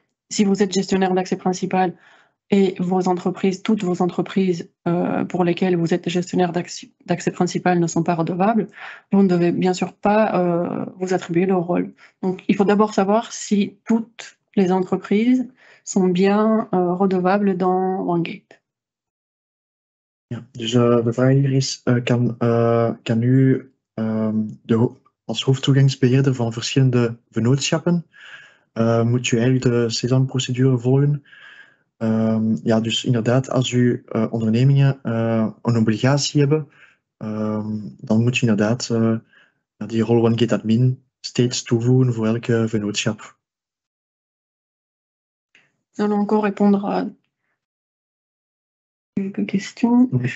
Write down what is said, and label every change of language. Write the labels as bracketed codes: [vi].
[fr] Si vous êtes gestionnaire d'accès principal, et vos entreprises, toutes vos entreprises pour lesquelles vous êtes gestionnaire d'accès principal ne sont pas redevables, vous ne devez bien sûr pas vous attribuer le rôle. Donc, il faut d'abord savoir si toutes les entreprises sont bien redevables dans Wanget. [nl] Ja, dus de vraag hier is, kan u als hoofdtoegangsbeheerder van verschillende vennootschappen, moet u eigenlijk de Sésame-procedure volgen? Ja, dus inderdaad, als uw ondernemingen een obligatie hebben, dan moet je inderdaad die rol Wanget Admin steeds toevoegen voor elke vennootschap. [fr] Nous allons encore répondre à quelques questions.